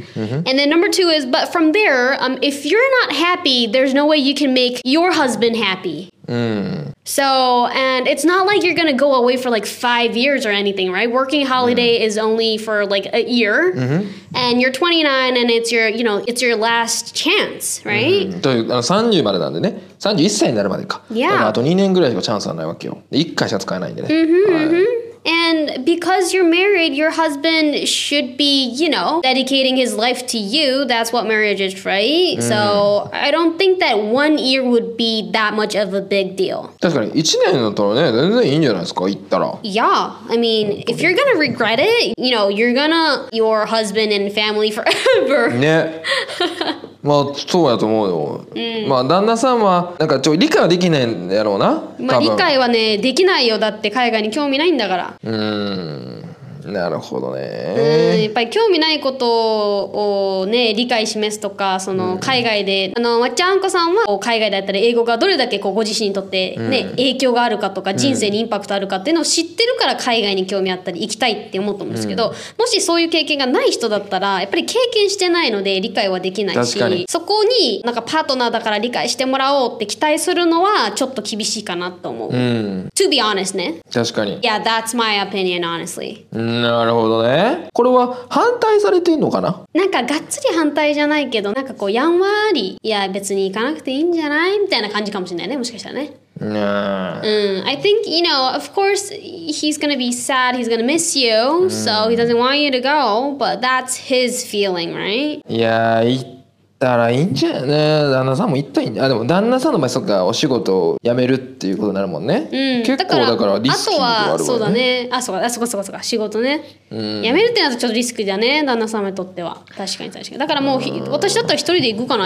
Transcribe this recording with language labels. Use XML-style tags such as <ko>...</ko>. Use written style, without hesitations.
<en>And then number two is, but from there, if you're not happy, there's no way you can make your husband happy. So, and it's not like you're gonna go away for like 5 years or anything, right? Working holiday is only for like a year. And you're 29 and it's your, you know, it's your last chance, right?</en> <ja>あの、30までなんでね。31歳になるまでか。</ja> <en>Yeah.</en> <ja>あと2年ぐらいしかチャンスはないわけよ。1回しか使えないんでね。</ja> <en>And because you're married, your husband should be, you know, dedicating his life to you. That's what marriage is, right? So I don't think that 1 year would be that much of a big deal.</en> <ja>確かに一年だったらね、全然いいんじゃないですか、行ったら。</ja> <en>Yeah, I mean, if you're gonna regret it, you know, you're gonna your husband and family forever.</en> <ja>ね。まあそうやと思うよ。まあ旦那さんはなんかちょ理解はできないんやろうな。まあ理解はねできないよ、だって海外に興味ないんだから。なるほどね。やっぱり興味ないことをね理解示すとか、その海外で、あの、まっちゃんこさんは海外だったら英語がどれだけこうご自身にとってね、影響があるかとか人生にインパクトあるかっていうのを知ってるから海外に興味あったり行きたいって思ったんですけど、もしそういう経験がない人だったらやっぱり経験してないので理解はできないし、そこになんかパートナーだから理解してもらおうって期待するのはちょっと厳しいかなと思う。</ja> <en>To be honest</en> <ja>ね。確かに。</ja> <en>Yeah, that's my opinion, honestly.</en> <ja>なるほどね。これは反対されてんのかな。なんかがっつり反対じゃないけど、なんかこうやんわり、いや別に行かなくていいんじゃないみたいな感じかもしれないね、もしかしたらね。</ja> <en>I think, you know, of course he's gonna be sad, he's gonna miss you、</en> <ja>うん、</ja> <en>so he doesn't want you to go, but that's his feeling, right?</en> <ja>いや行ったらいいんじゃね、旦那さんも行ったらいいんじゃ。あ、でも旦那さんの場合そっか、お仕事を辞めるっていうことになるもんね、うん、結構だからリスクがあるわね。あとはそうだね、あ、そうか、あ、そこそこそこ仕事ね、うん、辞めるってなるとちょっとリスクだね、旦那様にとっては。確かに確かに。だからもう、うん、私だったら一人で行くかな。</ja>